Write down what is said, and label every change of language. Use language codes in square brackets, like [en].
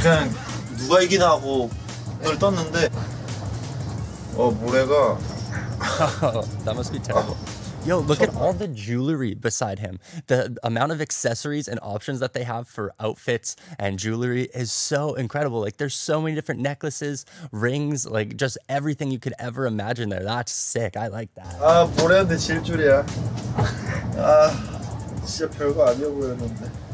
[ko] 그냥 누가 이긴 하고 눈을 떴는데 어 모래가 [en] That must be terrible. Yo, look at all the jewelry beside him. The amount of accessories and options that they have for outfits and jewelry is so incredible. Like, there's so many different necklaces, rings, like, just everything you could ever imagine there. That's sick. I like that. [ko] 아, 모래한테 질 줄이야. 아, 진짜 별거 아니어 보였는데.